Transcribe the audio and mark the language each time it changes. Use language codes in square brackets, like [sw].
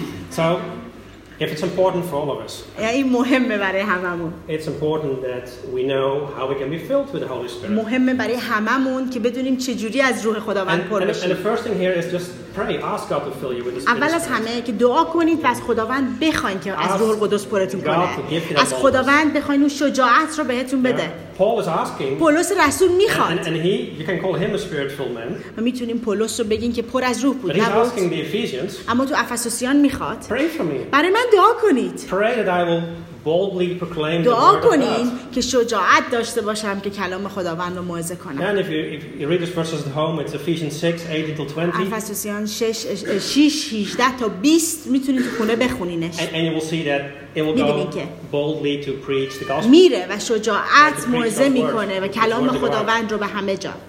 [en] So, if it's important for all of us. [fa] این مهمه برای هممون. [en] It's important that we know how we can be filled with the Holy Spirit. [fa] مهمه برای هممون که بدونیم چجوری از روح خداوند پر بشیم. [en] And the first thing here is just pray, ask God to fill you with the Spirit. [fa] اول از همه که دعا کنید و از خداوند بخواید که از روح القدس پرتون کنه. از خداوند بخواید اون شجاعت رو بهتون بده. [en] Paul is asking. [fa] پولس رسول میخواد. [en] And he, you can call him a spiritual man. [fa] ما میتونیم پولس رو بگیم که پر از روح بود. [en] But he's asking the Ephesians. [fa] اما تو افسوسیان میخواد. [en] Pray for me. [fa] برای من دعا کنید. [en] Pray that I will boldly proclaim the word [fa] کنیم که شجاعت داشته باشم که کلام خداوند رو موعظه کنم. [en] And if you read this verses at home, it's Ephesians 6:18-20. [fa] افسوسیان 6:18-20 میتونید تو خونه بخونینش. [en] And you will see that it will go boldly to preach the gospel. [fa] میره و شجاعت موعظه میکنه و کلام خداوند رو به همه جا.